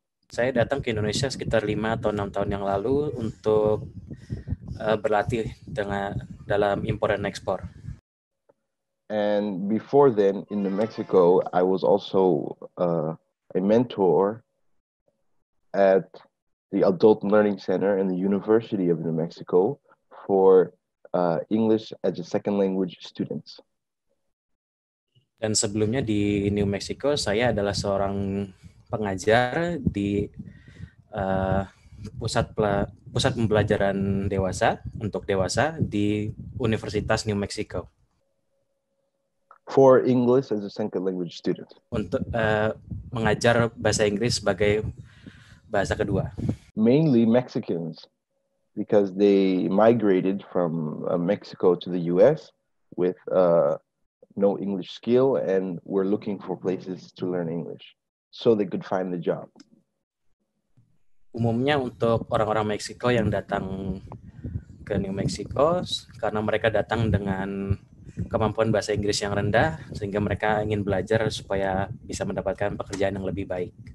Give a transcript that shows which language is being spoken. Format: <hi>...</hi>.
<id>Saya datang ke Indonesia sekitar 5 atau 6 tahun yang lalu untuk berlatih dalam impor dan ekspor.</id> <en>And before then in New Mexico, I was also a mentor at the Adult Learning Center and the University of New Mexico for English as a second language students.</en> <id>Dan sebelumnya di New Mexico, saya adalah seorang pengajar di pusat pembelajaran dewasa untuk dewasa di Universitas New Mexico.</id> <en>For English as a second language student.</en> <id>Untuk mengajar bahasa Inggris sebagai bahasa kedua.</id> <en>Mainly Mexicans, because they migrated from Mexico to the U.S. with no English skill and were looking for places to learn English, so they could find the job.</en> <id>Umumnya untuk orang-orang Meksiko yang datang ke New Mexico, karena mereka datang dengan kemampuan bahasa Inggris yang rendah, sehingga mereka ingin belajar supaya bisa mendapatkan pekerjaan yang lebih baik.</id>